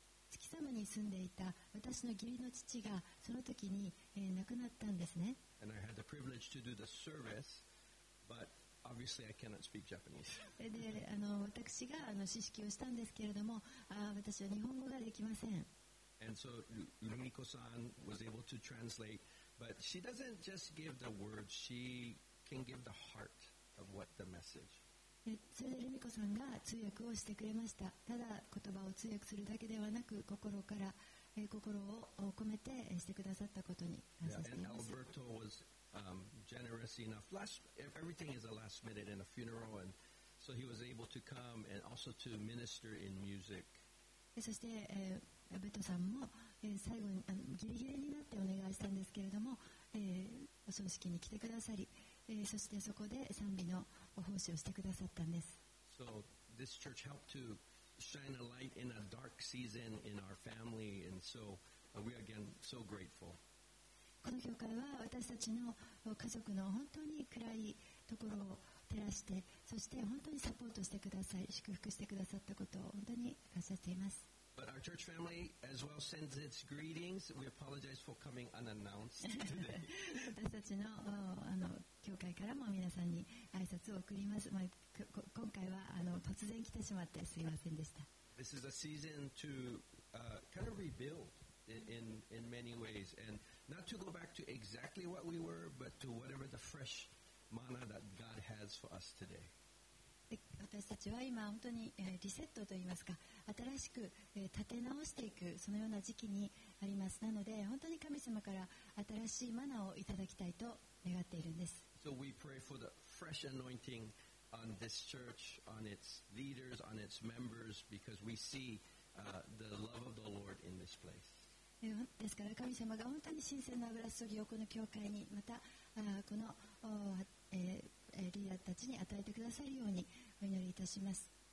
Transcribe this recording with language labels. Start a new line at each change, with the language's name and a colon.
Japanese: Tsukisamu に住んでいた私の義理の父がその時に、亡くなったんですね。
English: And I had the privilege to do the service, but obviously I cannot speak Japanese.
Japanese: で、私が指式をしたんですけれども、私は日本語ができません。
English: And so Rumiko-san was able to translate, but she doesn't just give the words, she can give the heart of what the message.
Japanese: それでルミコさんが通訳をしてくれました。ただ言葉を通訳するだけではなく、心から、心を込めてしてくださったことに感謝しています。
English: Yeah, and Alberto was generous enough. Everything is a last minute in a funeral, and so he was able to come and also to minister in music.
Japanese: そして、アベトさんも、最後にギリギリになってお願いしたんですけれども、お葬式に来てくださり、そしてそこで賛美のお奉仕をしてくださったんです。
English: So, this church helped to shine a light in a dark season in our family, and so we are again so grateful.
Japanese: この教会は私たちの家族の本当に暗いところを照らして、そして本当にサポートしてください、祝福してくださったことを本当に感謝しています。
English: But our church family as well sends its greetings. We apologize for coming unannounced today.
Japanese: 私たちの、教会からも皆さんに挨拶を送ります。まあ、今回は突然来てしまってすいませんでした。
English: This is a season to kind of rebuild in many ways, and not to go back to exactly what we were, but to whatever the fresh. Mana that God has for us today.
Japanese: 私たちは今本当にリセットといいますか、新しく立て直していくそのような時期にあります。なので本当に神様から新しいマナをいただきたいと願っているんです。 So we pray for the fresh anointing on this church, on its leaders, on its members, because we see the love of the Lord in this place. ですから神様が本当に新鮮な油注ぎをこの教会にまたこのリーダーたちに与えてくださるようにお祈りいたします。